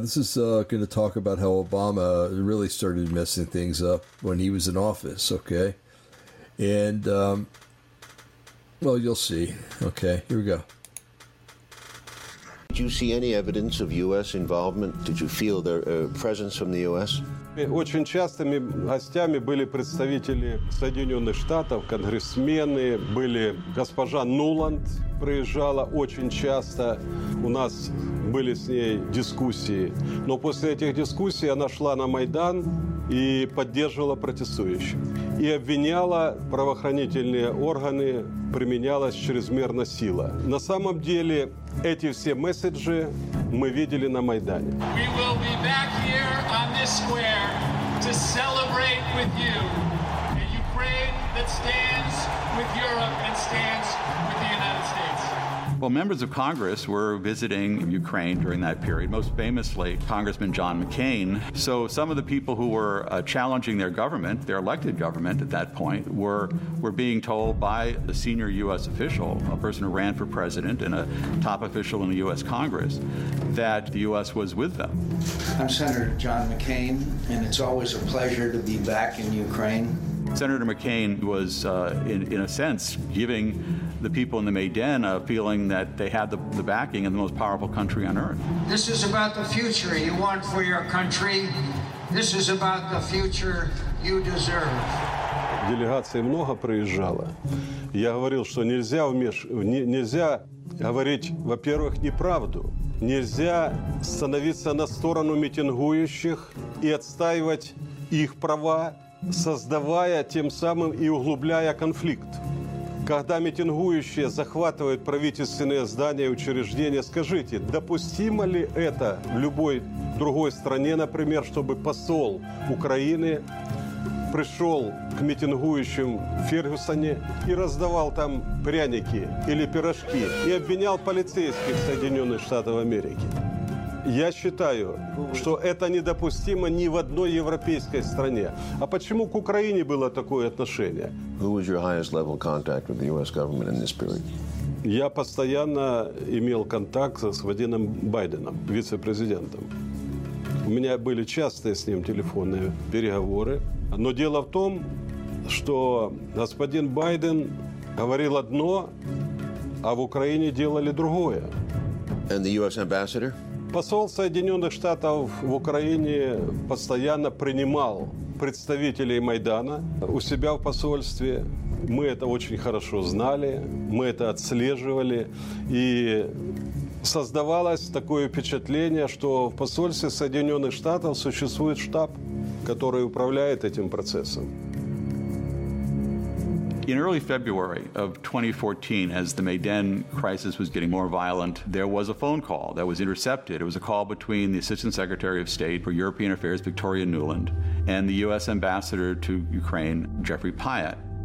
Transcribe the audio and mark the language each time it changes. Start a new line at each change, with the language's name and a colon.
English: This is going to talk about how Obama really started messing things up when he was in office, okay? And, well, you'll see. Okay, here we go. Did you see any evidence of U.S. involvement? Did you feel their presence from the U.S.?
Russian: Очень частыми гостями были представители Соединенных Штатов, конгрессмены, были госпожа Нуланд приезжала очень часто. У нас были с ней дискуссии. Но после этих дискуссий она шла на Майдан и поддерживала протестующих. И обвиняла правоохранительные органы, применялась чрезмерно сила. На самом деле эти все месседжи мы видели на Майдане.
English: We will be back here on this square to celebrate with you a Ukraine that stands with Europe and stands with the United States. Well, members of Congress were visiting Ukraine during that period, most famously Congressman John McCain. So some of the people who were challenging their government, their elected government at that point, were being told by a senior U.S. official, a person who ran for president and a top official in the U.S. Congress, that the U.S. was with them. I'm Senator John McCain, and it's always a pleasure to be back in Ukraine. Senator McCain was, in a sense, giving the people in the Maidan a feeling that they had the backing of the most powerful country on earth. This is about the future you want for your country. This is about the future you deserve.
Russian: Делегация много приезжала. Я говорил, что нельзя говорить, во-первых, неправду. Нельзя становиться на сторону митингующих и отстаивать их права. Создавая тем самым и углубляя конфликт. Когда митингующие захватывают правительственные здания и учреждения, скажите, допустимо ли это в любой другой стране, например, чтобы посол Украины пришел к митингующим в Фергюсоне и раздавал там пряники или пирожки и обвинял полицейских Соединенных Штатов Америки? Я считаю, что это недопустимо ни в одной европейской стране. А почему к Украине было такое отношение?
English: Who was your highest level contact with the US government in this period?
Russian: Я постоянно имел контакт с Вадимом Байденом, вице-президентом. У меня были частые с ним телефонные переговоры. Но дело в том, что господин Байден говорил одно, а в Украине делали другое.
English: And the US ambassador?
Russian: Посол Соединенных Штатов в Украине постоянно принимал представителей Майдана у себя в посольстве. Мы это очень хорошо знали, мы это отслеживали. И создавалось такое впечатление, что в посольстве Соединенных Штатов существует штаб, который управляет этим процессом.
English: In early February of 2014, as the Maidan crisis was getting more violent, there was a phone call that was intercepted. It was a call between the Assistant Secretary of State for European Affairs, Victoria Nuland, and the U.S. Ambassador to Ukraine, Jeffrey Pyatt.